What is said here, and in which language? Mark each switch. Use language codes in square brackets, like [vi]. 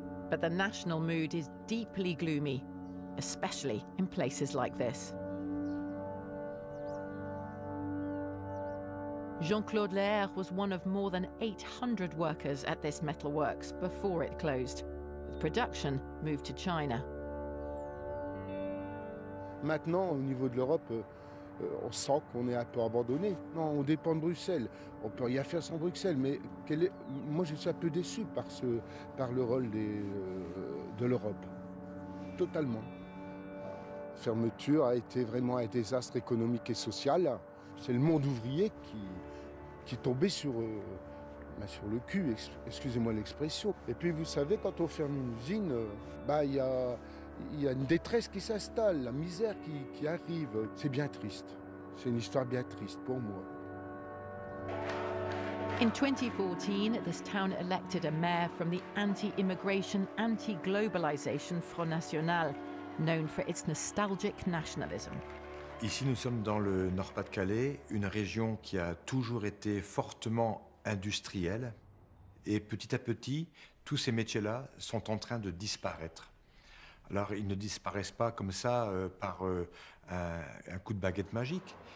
[en] But the national mood is deeply gloomy, especially in places like this. Jean-Claude Lair was one of more than 800 workers at this metalworks before it closed, with production moved to China. [fr] Maintenant, au niveau de l'Europe, on sent qu'on est un peu abandonné. Non, on dépend de Bruxelles. On peut rien faire sans Bruxelles. Mais quel est... moi, je suis un peu déçu par le rôle de l'Europe. Totalement. La fermeture a été vraiment un désastre économique et social. C'est le monde ouvrier qui est tombé sur le cul, excusez-moi l'expression. Et puis, vous savez, quand on ferme une usine, il y a une détresse qui s'installe, la misère qui arrive. C'est bien triste. C'est une histoire bien triste pour moi. [en] In 2014, this town elected a mayor from the anti-immigration, anti-globalization Front National, known for its nostalgic nationalism. [fr] Ici, nous sommes dans le Nord-Pas-de-Calais, une région qui a toujours été fortement industrielle. Et petit à petit, tous ces métiers-là sont en train de disparaître. Alors, ils ne disparaissent pas comme ça par un coup de baguette magique.